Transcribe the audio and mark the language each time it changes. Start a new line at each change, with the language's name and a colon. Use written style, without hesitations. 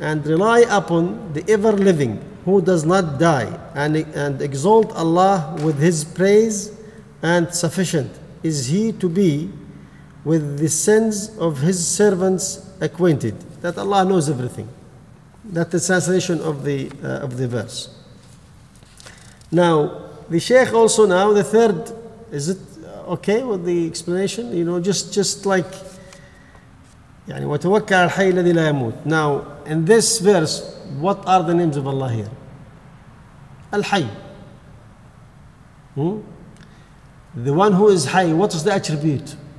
English: And rely upon the ever living who does not die, and exalt Allah with his praise, and sufficient is he to be with the sins of his servants acquainted. That Allah knows everything. That's the translation of the verse. Now, the Shaykh also now, the third, is it okay with the explanation? You know, just like,
Arabic: يعني وتوكى على الحي الذي لا يموت.
English: Now, in this verse, what are the names of Allah here? Al-Hayy. The one who is Hayy, what is the attribute?